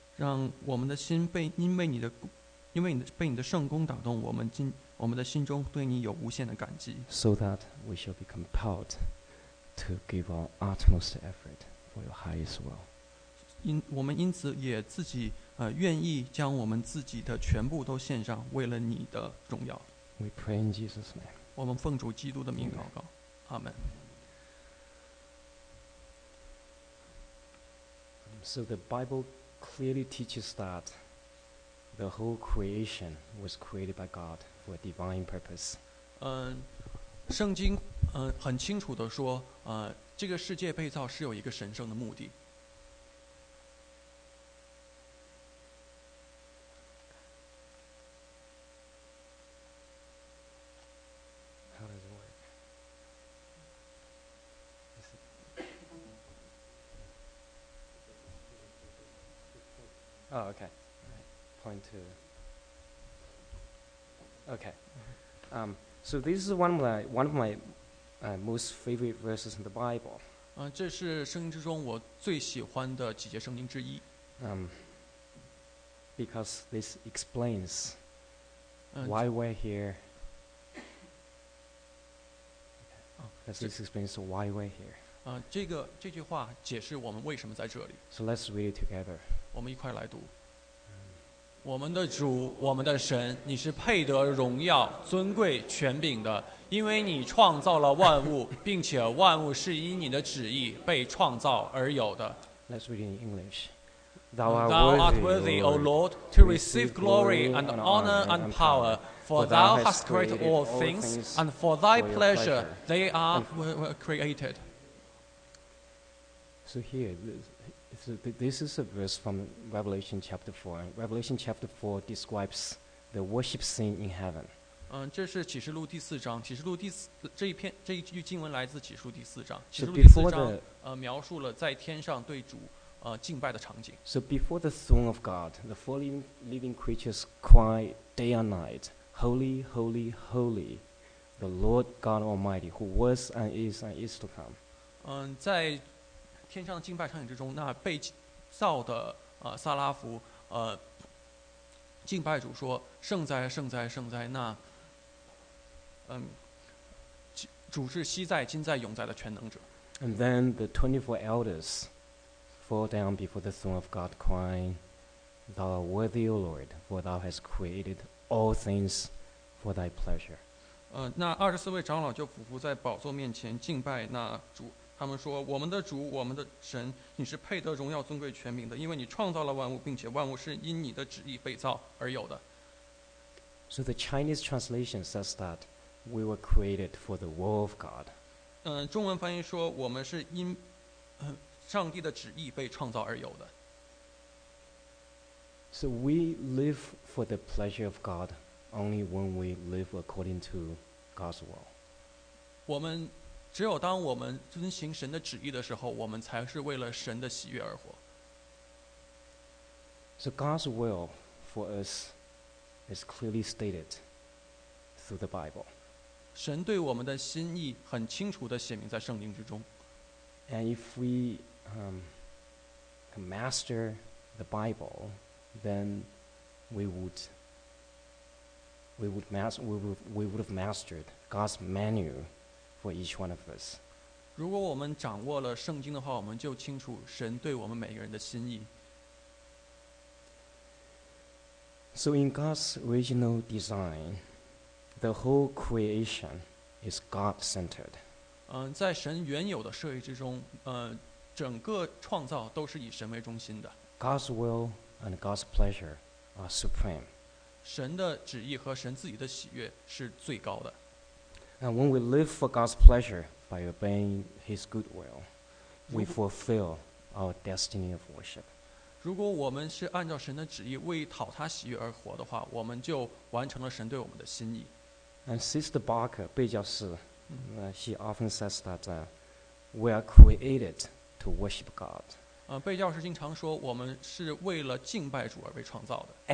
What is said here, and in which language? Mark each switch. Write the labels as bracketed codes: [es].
[zh] 让我们的心被你的圣功打动，我们的心中对你有无限的感激。 [en] So that we shall be compelled to give our utmost effort for your highest will. [zh] 我们因此也自己愿意将我们自己的全部都献上，为了你的荣耀。 [en] We pray in Jesus' name. [zh] 我们奉主基督的名祷告。阿门。 [en] So the Bible clearly teaches that the whole creation was created by God for a divine purpose. [zh] 圣经很清楚地说，这个世界被造是有一个神圣的目的。 [en] Oh, okay. Point to. Okay. So this is one of my most favorite verses in the Bible. [zh] 这是圣经之中我最喜欢的几节圣经之一。 [en] Because this explains why we're here. This explains why we're here. [zh] 这句话解释我们为什么在这里。 [en] So let's read it together. [zh] 我们一块来读。我们的主，我们的神，你是配得荣耀、尊贵、权柄的，因为你创造了万物，并且万物是以你的旨意被创造而有的。 [en] Let's read in English. Thou art worthy, O Lord, to receive glory and honor and power, for thou hast created all things, and for thy pleasure they were created. So here. So this is a verse from Revelation chapter 4. Revelation chapter 4 describes the worship scene in heaven. [zh] 这是启示录第四章。启示录第四这一篇这一句经文来自启示录第四章。启示录第四章描述了在天上对主敬拜的场景。 [en] So before the throne of God, the four living creatures cry day and night, Holy, Holy, Holy, the Lord God Almighty, who was and is to come. [zh] 在天上的敬拜场景之中，那被造的撒拉弗敬拜主说：“圣哉，圣哉，圣哉！” 那主是昔在、今在、永在的全能者。 [en] And then the 24 elders fall down before the throne of God, crying, "Thou art worthy, O Lord, for Thou hast created all things for Thy pleasure." [zh] 那二十四位长老就俯伏在宝座面前敬拜那主。他们说：“我们的主，我们的神，你是配得荣耀、尊贵、权柄的，因为你创造了万物，并且万物是因你的旨意被造而有的。” [en] So the Chinese translation says that we were created for the will of God. [zh] 中文翻译说：“我们是因上帝的旨意被创造而有的。” [en] So we live for the pleasure of God only when we live according to God's will. [zh] 我们只有当我们遵行神的旨意的时候，我们才是为了神的喜悦而活。 [en] So God's will for us is clearly stated through the Bible. [zh] 神对我们的心意很清楚地写明在圣经之中。 [en] And if we master the Bible, then we would have mastered God's manual. For each one of us. [zh] 如果我们掌握了圣经的话，我们就清楚神对我们每个人的心意。 [en] So in God's original design, the whole creation is God-centered. [zh] 在神原有的设计之中，整个创造都是以神为中心的。 [en] God's will and God's pleasure are supreme. [zh] 神的旨意和神自己的喜悦是最高的。 [en] And when we live for God's pleasure by obeying His good will, we fulfill our destiny of worship. [zh] 如果我们是按照神的旨意为讨他喜悦而活的话，我们就完成了神对我们的心意。 [en] And Sister Barker, 贝教士, she often says that we are created to worship God. [zh] 贝教士经常说，我们是为了敬拜主而被创造的。